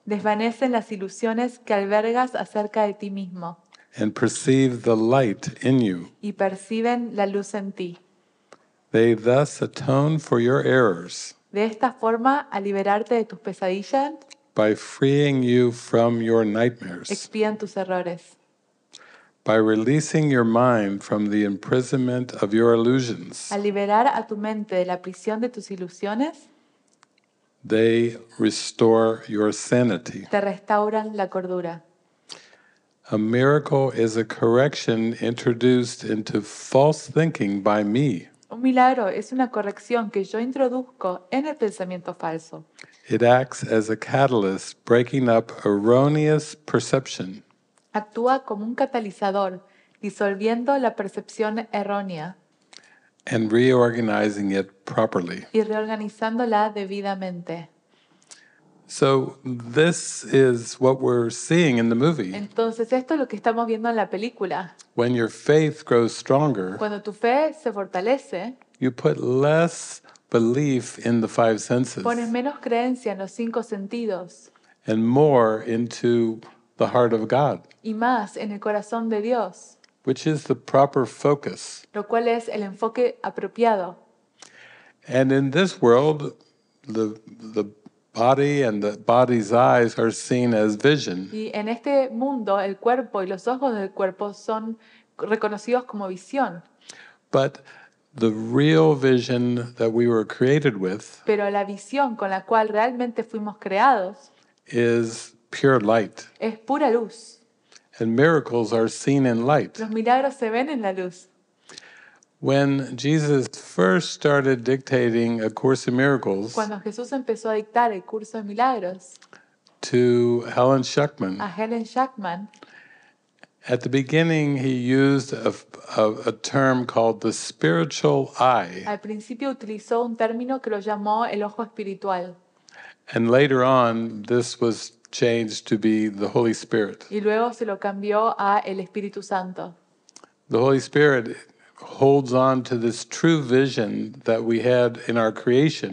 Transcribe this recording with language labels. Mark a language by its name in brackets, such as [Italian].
[Spanish] Desvanecen las ilusiones que albergas acerca de ti mismo. [English] And perceive the light in you. [Spanish] Y perciben la luz en ti. [English] They thus atone for your errors. [Spanish] De esta forma, al liberarte de tus pesadillas. [English] By freeing you from your nightmares. [Spanish] Expían tus errores. [English] By releasing your mind from the imprisonment of your illusions. [Spanish] Al liberar a tu mente de la prisión de tus ilusiones. [English] They restore your sanity. [Spanish] Te restauran la cordura. [English] A miracle is a correction introduced into false thinking by me. [Spanish] Un milagro es una corrección que yo introduzco en el pensamiento falso. [English] It acts as a catalyst breaking up erroneous perception. [Spanish] Actúa como un catalizador, disolviendo la percepción errónea. [English] And reorganizing it properly. [Spanish] Y reorganizándola debidamente. [English] So this is what we're seeing in the movie. [Spanish] Entonces esto es lo que estamos viendo en la película. [English] When your faith grows stronger. [Spanish] Cuando tu fe se fortalece. [English] You put less belief in the five senses. [Spanish] Pones menos creencia en los cinco sentidos. [English] And more into the heart of God. [Spanish] Y más en el corazón de Dios. [English] Which is the proper focus. [Spanish] Lo cual es el enfoque apropiado. [English] And in this world, the body and the body's eyes are seen as vision. [Spanish] Y en este mundo, el cuerpo y los ojos del cuerpo son reconocidos como visión. [English] But the real vision that we were created with. [Spanish] Pero la visión con la cual realmente fuimos creados. [English] Is pure light. [Spanish] Es pura luz. [English] And miracles are seen in light. [Spanish] Los milagros se ven en la luz. [English] When Jesus first started dictating A Course in Miracles, [Spanish] cuando Jesús empezó a dictar el curso de milagros, [English] to Helen Schuckman, [Spanish] a Helen Schuckman, [English] at the beginning he used a term called the spiritual eye. [Spanish] Al principio utilizó un término que lo llamó el ojo espiritual. [English] And later on, this was changed to be the Holy Spirit. [Spanish] Y luego se lo cambió a el Espíritu Santo. [English] The Holy Spirit holds on to this true vision that we had in our creation.